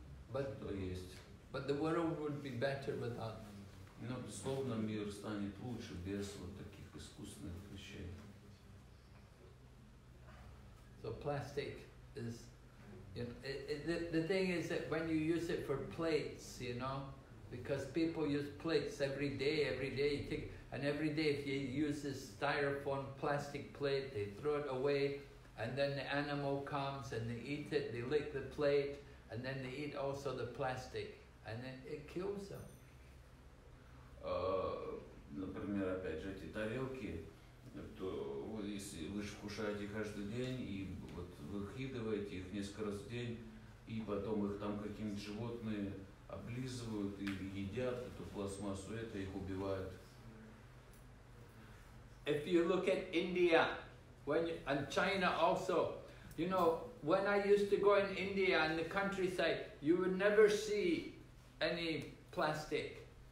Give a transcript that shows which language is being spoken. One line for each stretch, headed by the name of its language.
English: But the world would be better without them.
Russian: Но, безусловно, мир станет лучше без вот таких искусственных вещей.
English: So plastic is, you know, the thing is that when you use it for plates, you know, because people use plates every day you take, and every day if you use this styrofoam plastic plate, they throw it away, and then the animal comes and they eat it, they lick the plate, and then they eat also the plastic, and then it kills them.
Russian: Например, опять же, эти тарелки, то вот если вы же кушаете каждый день, и вот выкидываете их несколько раз в день, и потом их там какие-нибудь животные облизывают и едят эту пластмассу, это их убивает.
English: If you look at India, when you, and China also, you know, when I used to go in India and the countryside, you would never see any plastic.